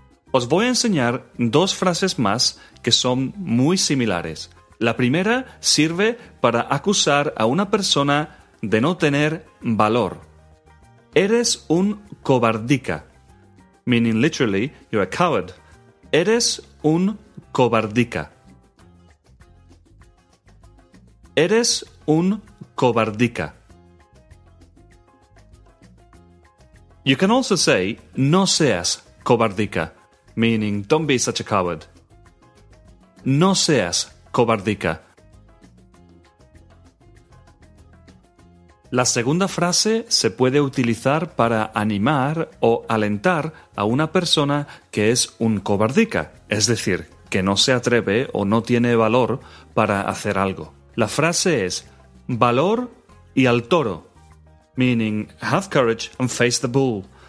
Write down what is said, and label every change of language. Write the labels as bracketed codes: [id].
[es] Os voy a enseñar dos frases más que son muy similares. La primera sirve para acusar a una persona de no tener valor. Eres un cobardica. [en] Meaning literally, you're a coward. [es] Eres un cobardica. Eres un cobardica. [en] You can also say, [es] no seas cobardica. [en] Meaning, don't be such a coward. [es] No seas cobardica. La segunda frase se puede utilizar para animar o alentar a una persona que es un cobardica, es decir, que no se atreve o no tiene valor para hacer algo. La frase es valor y al toro, [en] meaning have courage and face the bull.